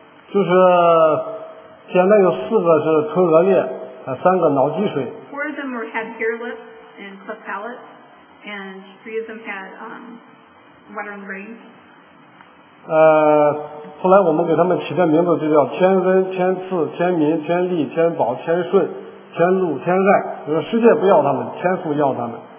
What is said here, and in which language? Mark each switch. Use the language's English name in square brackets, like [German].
[Chinese] 就是捡了有四个是唇腭裂，三个脑积水。 [English] Four of them were had hair lips and cleft palate, and three of them had water on the brain. [Chinese] 后来我们给他们起的名字就叫天恩、天赐、天民、天利、天保、天顺、天禄、天爱。就是世界不要他们，天父要他们。